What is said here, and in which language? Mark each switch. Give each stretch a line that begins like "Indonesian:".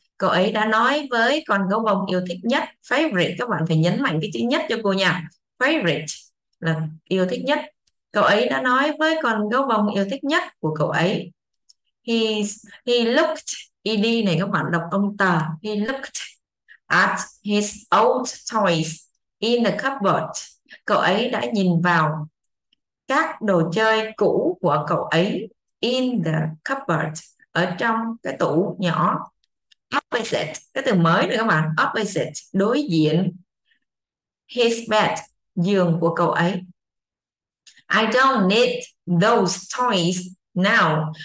Vietnamese: Cô ấy đã nói với con gấu bông yêu thích nhất. Favorite, các bạn phải nhấn mạnh cái chữ nhất cho cô nha. Favorite là yêu thích nhất. Cậu ấy đã nói với con gấu bông yêu thích nhất của cậu ấy.
English: He looked,
Vietnamese: ED này các bạn đọc ông tờ.
English: He looked at his old toys in the cupboard.
Vietnamese: Cậu ấy đã nhìn vào các đồ chơi cũ của cậu ấy
English: in the cupboard,
Vietnamese: ở trong cái tủ nhỏ. Opposite, cái từ mới nữa các bạn. Opposite, đối diện.
English: His bed,
Vietnamese: giường của cậu ấy.
English: I don't need those toys now.